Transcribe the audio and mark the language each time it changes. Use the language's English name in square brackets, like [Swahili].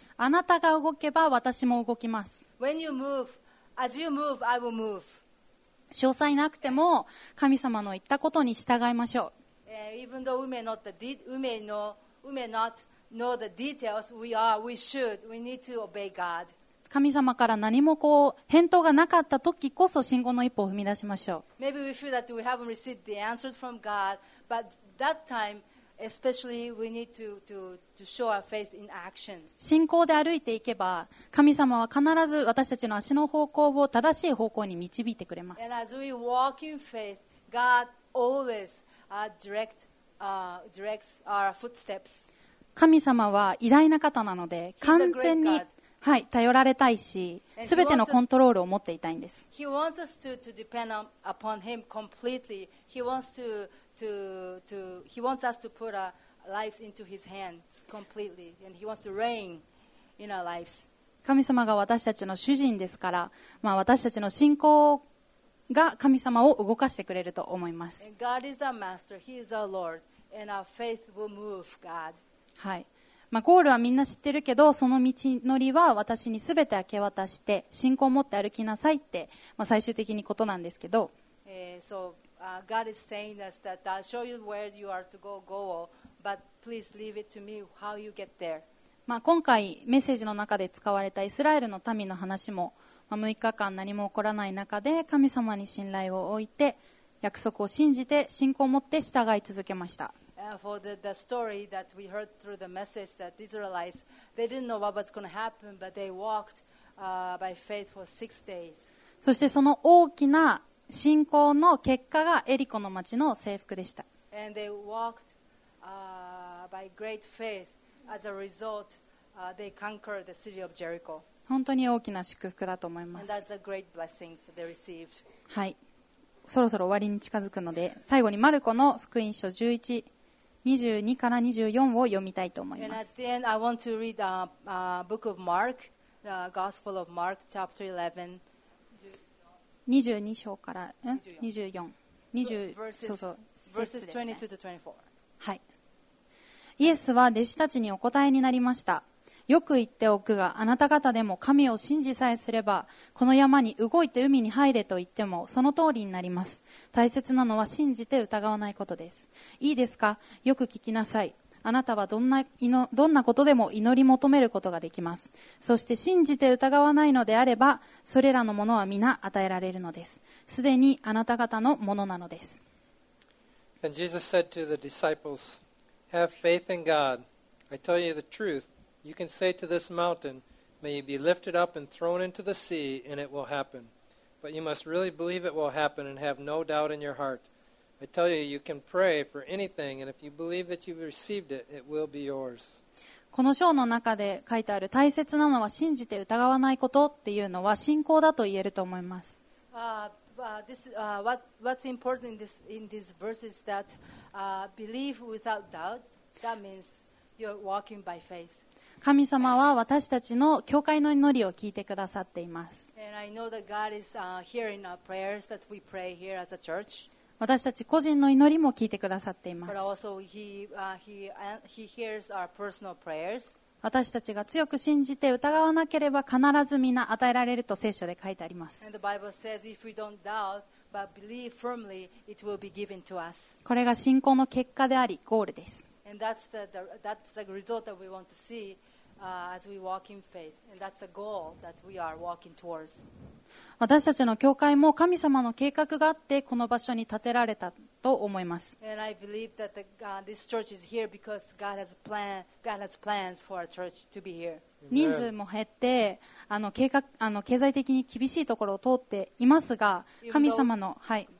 [Japanese] あなたが動けば私も動きます。 [English] When you move, as you move, I will move. [Japanese] 詳細なくても神様の言ったことに従いましょう。 [English] Even though we may not know the details, we need to obey God. [Japanese] 神様から何もこう返答がなかった時こそ信仰の一歩を踏み出しましょう。 [English] Maybe we feel that we haven't received the answers from God, but that time especially we need to show our faith in action. [Japanese] 信仰で歩いていけば神様は必ず私たちの足の方向を正しい方向に導いてくれます。 [English] And as we walk in faith, God always directs our footsteps. [Japanese] 神様は偉大な方なので完全に、はい、頼られたいし、全てのコントロールを持っていたいんです。 [English] He wants us to depend upon him completely. He wants to put a lives into his hands completely, and he wants to reign in our lives. [Japanese] 神様が私たちの主人ですから、まあ、私たちの信仰が神様を動かしてくれると思います。 [English] And God is our master, he is our Lord, and our faith will move God. [Japanese] はい。まあ、ゴールはみんな知ってるけど、その道のりは私にすべて明け渡して信仰を持って歩きなさいって、まあ、最終的にことなんですけど、 [English] So, God is saying us that I'll show you where you are to go, go, but please leave it to me how you get there. [Japanese] まあ、今回メッセージの中で使われたイスラエルの民の話も、まあ、6日間何も起こらない中で神様に信頼を置いて約束を信じて信仰を持って従い続けました。 [English] For the story that we heard through the message that the Israelites, they didn't know what was going to happen, but they walked by faith for six days. [Japanese] そしてその大きな信仰の結果がエリコの町の征服でした。 [English] And they walked by great faith. As a result, they conquered the city of Jericho. [Japanese] 本当に大きな祝福だと思います。 [English] And that's a great blessing they received. [Japanese] はい。そろそろ終わりに近づくので、最後にマルコの福音書11:22から24を読みたいと思います。 [English] And at the end, I want to read the book of Mark, the Gospel of Mark, chapter 11. [Japanese] 22章から、 24。そうそう、 [English] verses 22 to 24. [Japanese] はい。イエスは弟子たちにお答えになりました。よく言っておくが、あなた方でも神を信じさえすれば、この山に動いて海に入れと言っても、その通りになります。大切なのは信じて疑わないことです。いいですか？よく聞きなさい。あなたはどんなことでも祈り求めることができます。そして信じて疑わないのであれば、それらのものは皆与えられるのです。すでにあなた方のものなのです。 [English] And Jesus said to the disciples, Have faith in God. I tell you the truth. You can say to this mountain, may you be lifted up and thrown into the sea, and it will happen. But you must really believe it will happen and have no doubt in your heart. I tell you, you can pray for anything, and if you believe that you've received it, it will be yours. [Japanese] この章の中で書いてある大切なのは信じて疑わないことっていうのは信仰だと言えると思います。 [English] What's important in this verse is that believe without doubt, that means you're walking by faith. [Japanese] 神様は私たちの教会の祈りを聞いてくださっています。 [English] And I know that God is hearing our prayers that we pray here as a church. [Japanese] 私たち個人の祈りも聞いてくださっています。 [English] But also he hears our personal prayers. [Japanese] 私たちが強く信じて疑わなければ必ず皆与えられると聖書で書いてあります。 [English] And the Bible says if we don't doubt but believe firmly it will be given to us. [Japanese] これが信仰の結果でありゴールです。 [English] And that's the result that we want to see as we walk in faith. And that's the goal that we are walking towards. [Japanese] 私たちの教会も神様の計画があってこの場所に建てられたと思います。 [English] And I believe that this church is here because God has plans for our church to be here. [Japanese] 人数も減って経済的に厳しいところを通っていますが、神様の、はい。